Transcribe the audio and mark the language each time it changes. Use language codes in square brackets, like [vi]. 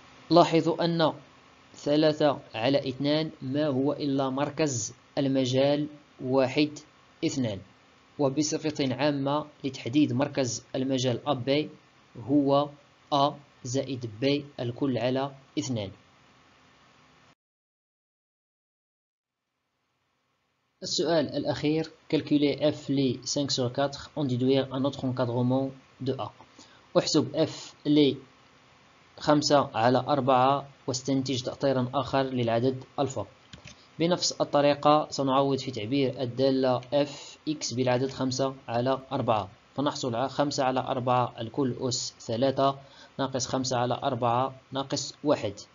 [ar] لاحظوا أن ثلاثة على اثنان ما هو إلا مركز المجال واحد اثنان، وبصفة عامة لتحديد مركز المجال أب هو أ زائد ب الكل على اثنان. السؤال الأخير: [fr] calculer f لي 5 sur 4 en déduire un autre encadrement de A. [ar] احسب f لي 5 على 4 واستنتج تأطيرا آخر للعدد ألفا. بنفس الطريقة سنعوض في تعبير الدالة f x بالعدد 5 على 4، فنحصل على 5 على 4 الكل أس 3 ناقص 5 على 4 ناقص 1.